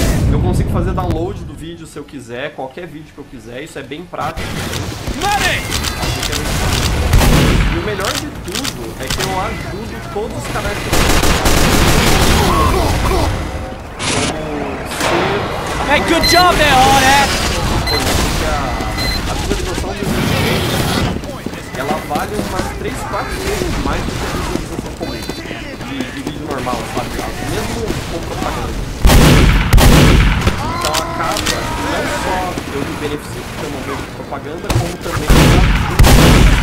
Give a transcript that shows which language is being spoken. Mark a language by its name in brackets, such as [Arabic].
[Portuguese] Eu consigo fazer download do vídeo se eu quiser, qualquer vídeo que eu quiser, isso é bem prático. E o melhor de tudo é que eu ajudo todos os canais que eu tenho. [English] Hey, good job there, Hornet! [Portuguese] A visualização do vídeo, ela vale umas 3, 4 vezes mais do que a visualização comum. De vídeo normal, sabe? Mesmo com propaganda. Então acaba não só eu me beneficio de ter um momento de propaganda, como também.